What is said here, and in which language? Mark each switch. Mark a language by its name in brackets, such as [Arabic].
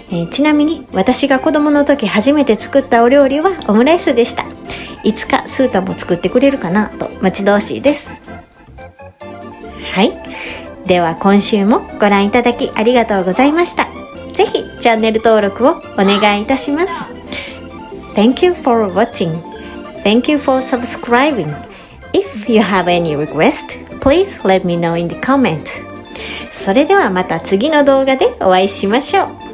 [Japanese] ちなみに私が子供の時初めて作ったお料理はオムライスでした。いつかスータも作ってくれるかなと待ち遠しいです。はい、では今週もご覧いただきありがとうございました。ぜひチャンネル登録をお願いいたします。 [English] Thank you for watching. Thank you for subscribing. If you have any request, please let me know in the comment. [Japanese] それではまた次の動画でお会いしましょう。